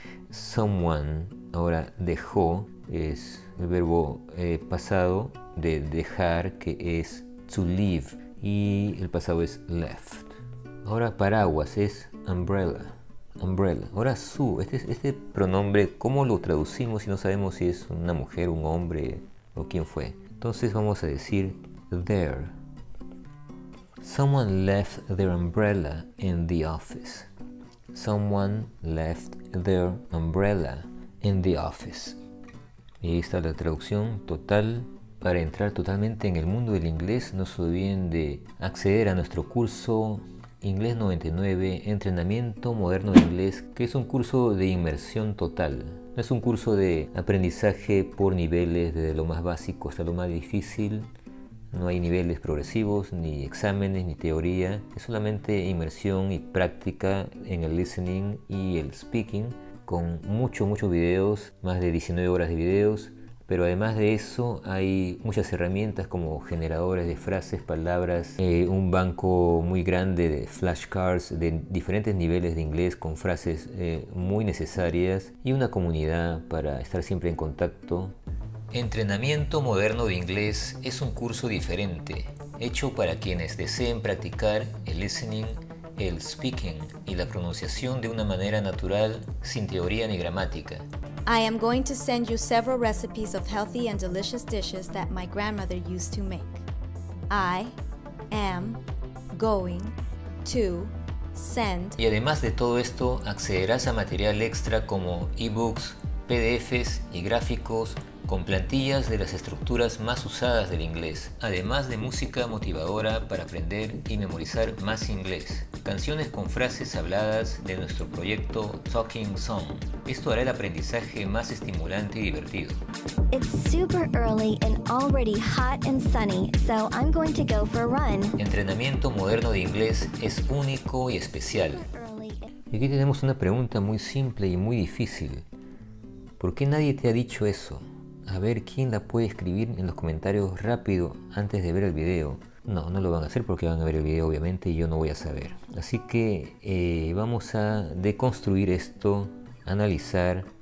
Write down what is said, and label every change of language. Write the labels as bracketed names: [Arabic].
[Spanish] Someone, ahora dejó, es el verbo pasado de dejar, que es to leave, y el pasado es left. Ahora paraguas es umbrella. Umbrella. Ahora su, este pronombre, ¿cómo lo traducimos si no sabemos si es una mujer, un hombre o quién fue? Entonces vamos a decir there. [English] Someone left their umbrella in the office. Someone left their umbrella in the office. [Spanish] Y esta es la traducción total. Para entrar totalmente en el mundo del inglés, no se olviden de acceder a nuestro curso Inglés 99, entrenamiento moderno de inglés, que es un curso de inmersión total. No es un curso de aprendizaje por niveles, desde lo más básico hasta lo más difícil. No hay niveles progresivos, ni exámenes, ni teoría. Es solamente inmersión y práctica en el listening y el speaking, con muchos, muchos videos, más de 19 horas de videos. Pero además de eso, hay muchas herramientas como generadores de frases, palabras, un banco muy grande de flashcards de diferentes niveles de inglés con frases muy necesarias y una comunidad para estar siempre en contacto. Entrenamiento moderno de inglés es un curso diferente, hecho para quienes deseen practicar el listening, el speaking y la pronunciación de una manera natural, sin teoría ni gramática. [English] I am going to send you several recipes of healthy and delicious dishes that my grandmother used to make. I am going to send. [Spanish] Y además de todo esto, accederás a material extra como ebooks, PDFs y gráficos con plantillas de las estructuras más usadas del inglés, además de música motivadora para aprender y memorizar más inglés. Canciones con frases habladas de nuestro proyecto Talking Song. Esto hará el aprendizaje más estimulante y divertido. [English] It's super early and already hot and sunny, so I'm going to go for a run. [Spanish] Entrenamiento moderno de inglés es único y especial. Y aquí tenemos una pregunta muy simple y muy difícil. ¿Por qué nadie te ha dicho eso? A ver quién la puede escribir en los comentarios rápido antes de ver el video. No, no lo van a hacer porque van a ver el video, obviamente, y yo no voy a saber. Así que vamos a deconstruir esto, analizar.